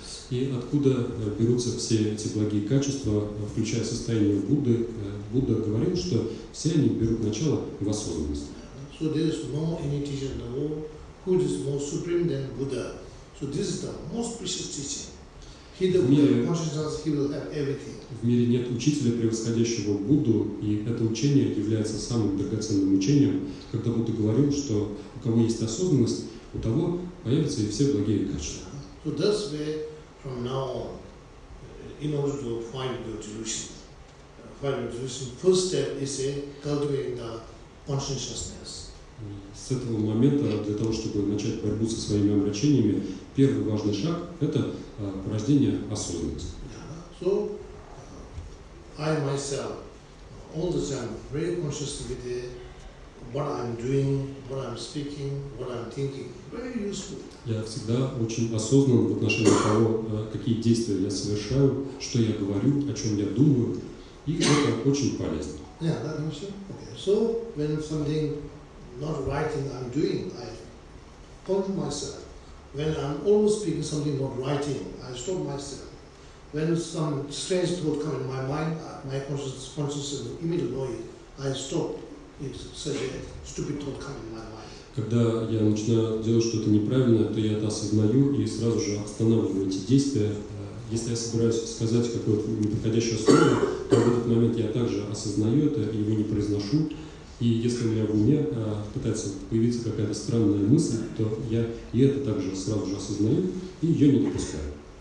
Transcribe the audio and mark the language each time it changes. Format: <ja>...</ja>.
<ru>И откуда берутся все эти благие качества, включая состояние Будды? Будда говорил, что все они берут начало в осознанности.</ru> <en>So there is no any teacher in the world who is more supreme than Buddha. So this is the most precious teaching. He the Buddha consciousness, he will have everything.</en> <ru>В мире нет учителя, превосходящего Будду, и это учение является самым драгоценным учением. Когда Будда говорил, что у кого есть осознанность, у того появятся и все благие качества.</ru> <en>So this way, from now on, in order to find your delusion, first step is cultivating the consciousness.</en> <ru>С этого момента, для того, чтобы начать борьбу со своими омрачениями, первый важный шаг – это порождение осознанности.</ru> <en>So, I myself, all the time, very conscious with what I'm doing, what I'm speaking, what I'm thinking, very useful.</en> <ru>Я всегда очень осознан в отношении того, какие действия я совершаю, что я говорю, о чем я думаю, и это очень полезно.</ru> <en>Yeah, that makes sense. Okay. So when something not right thing I'm doing, I stop myself. When I'm always speaking something not right thing, I stop myself. When some strange thought come in my mind, my consciousness immediately know it. I stop it. Such a stupid thought come in my mind.</en> <ru>Когда я начинаю делать что-то неправильное, то я это осознаю и сразу же останавливаю эти действия. Если я собираюсь сказать какое-то неподходящее слово, то в этот момент я также осознаю это и его не произношу. И если у меня в уме пытается появиться какая-то странная мысль, то я и это также сразу же осознаю и ее не допускаю.</ru>